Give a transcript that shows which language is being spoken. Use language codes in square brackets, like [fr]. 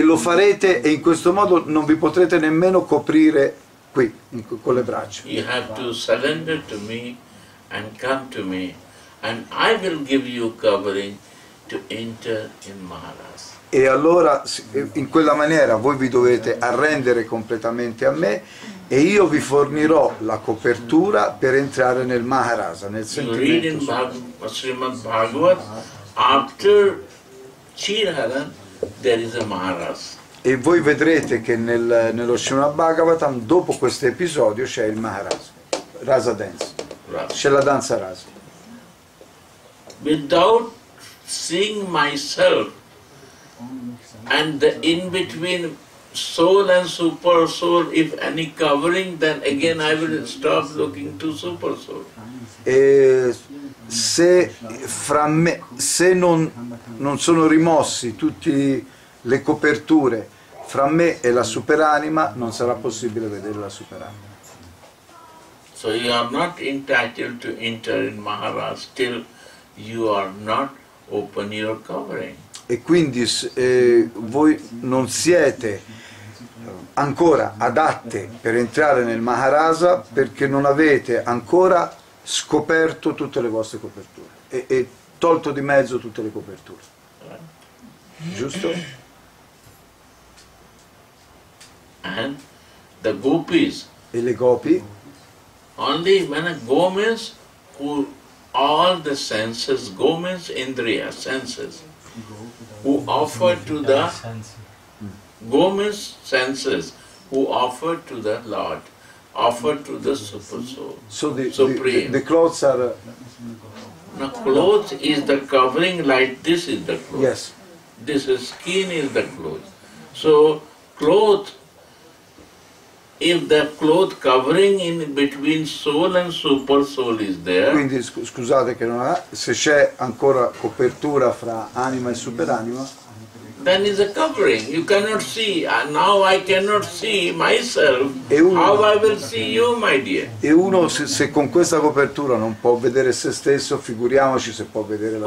[it] lo farete, e in questo modo non vi potrete nemmeno coprire qui con le braccia. [en] You have to surrender to me and come to me, and I will give you covering to enter in Maharas. [it] E allora in quella maniera voi vi dovete arrendere completamente a me, e io vi fornirò la copertura per entrare nel Maharasa, nel sentimento. [en] Srimad Bhagavat, after Chiraran there is a Maharas. [it] E voi vedrete che nello Srimad Bhagavatam, dopo questo episodio, c'è il Maharasa, Rasa Dance, c'è la danza rasa. [en] Without seeing myself and the in between soul and super soul, if any covering, then again I will stop looking to super soul. [it] E se fra me, se non sono rimossi tutte le coperture fra me e la superanima, non sarà possibile vedere la superanima. [en] So you are not entitled to enter in Maharas till you are not open your covering. [it] E quindi voi non siete ancora adatte per entrare nel Maharasa perché non avete ancora scoperto tutte le vostre coperture e tolto di mezzo tutte le coperture. Giusto? [en] And the gopis. [it] E le gopi? [en] Only when a go means all the senses, go means indriya, senses. Who offer to the Gomis senses, who offer to the Lord, offer to the Super Soul. So Supreme. The clothes are. No, clothes is the covering, like this is the clothes. Yes. This is skin is the clothes. So, clothes, if the cloth covering in between soul and super soul is there. [it] Quindi scusate che non ha, se c'è ancora copertura fra anima e superanima. [en] Then is a covering. You cannot see. Now I cannot see myself. How I will see you, my dear? [it] E uno se con questa copertura non può vedere se stesso, figuriamoci se può vedere la